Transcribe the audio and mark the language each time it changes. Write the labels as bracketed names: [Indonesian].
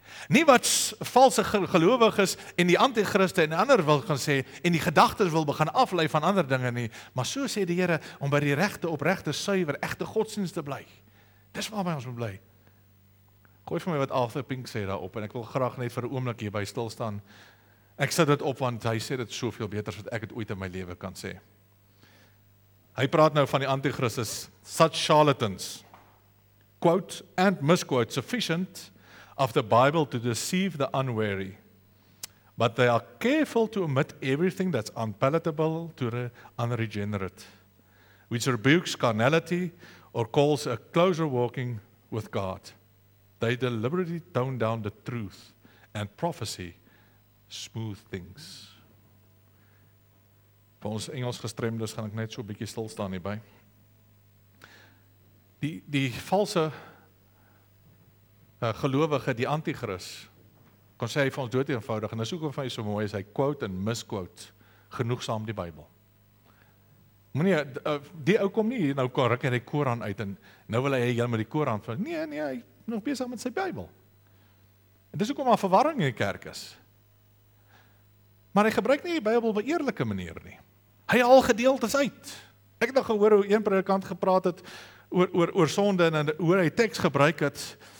[Afrikaans] Nie wat valse gelowiges en die anti-Christe en ander wil gaan sê en die gedagtes wil begin aflei van ander dinge nie, maar so sê die Here om by die regte, opregte, suiwer, egte godsdienst te bly. Dis waarby ons moet bly. Gooi vir my wat Arthur Pink sê daarop en ek wil graag net vir 'n oomblik hierby stilstaan. Ek sit dit op want hy sê dit soveel beter as wat ek het ooit in my lewe kan sê. Hy praat nou van die anti-Christus, [English] such charlatans, quote and misquote, sufficient of the Bible to deceive the unwary, but they are careful to omit everything that's unpalatable to the unregenerate, which rebukes carnality or calls a closer walking with God. They deliberately tone down the truth and prophecy, smooth things. [Afrikaans] Vir ons Engels gestremdes gaan ek net so 'n bietjie stil staan hierby. Die valse gelowige, die anti-Christus, kon sê hy vir ons dood eenvoudig, en dis ook van hy so mooi is, hy quote en misquote genoegsaam die Bybel. Meneer, die ou kom nie, nou kan ruk hy die Koran uit, en nou wil hy met die Koran, nee, hy is nog besig met sy Bybel. En dis ook om 'n verwarring in die kerk is. Maar hy gebruik nie die Bybel op 'n eerlike manier nie. Hy al gedeeltes uit. Ek het nog gehoor hoe een predikant gepraat het oor sonde en hoe hy teks gebruik het.